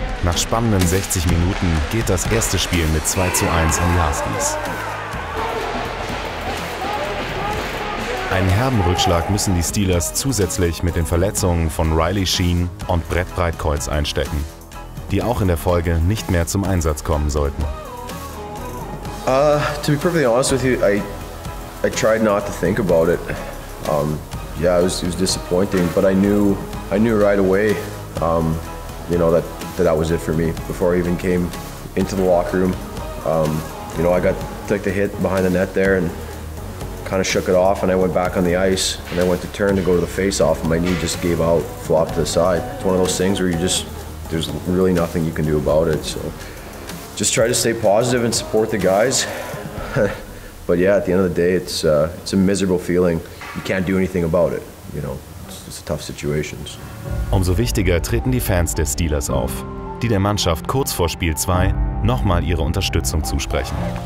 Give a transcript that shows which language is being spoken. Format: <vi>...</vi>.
<de>Nach spannenden 60 Minuten geht das erste Spiel mit 2:1 an die Huskies. Einen herben Rückschlag müssen die Steelers zusätzlich mit den Verletzungen von Riley Sheen und Brett Breitkreuz einstecken, die auch in der Folge nicht mehr zum Einsatz kommen sollten.</de> <en>To be perfectly honest with you, I tried not to think about it. Yeah, it was disappointing, but I knew right away, you know, that was it for me before I even came into the locker room. You know, I got like the hit behind the net there and kind of shook it off and I went back on the ice and I went to turn to go to the face off and my knee just gave out, flopped to the side. It's one of those things where you just, there's really nothing you can do about it. So just try to stay positive and support the guys. But yeah, at the end of the day, it's a miserable feeling. You can't do anything about it. You know, it's a tough situation.</en> <de>Umso wichtiger treten die Fans der Steelers auf, die der Mannschaft kurz vor Spiel 2 nochmal ihre Unterstützung zusprechen.</de>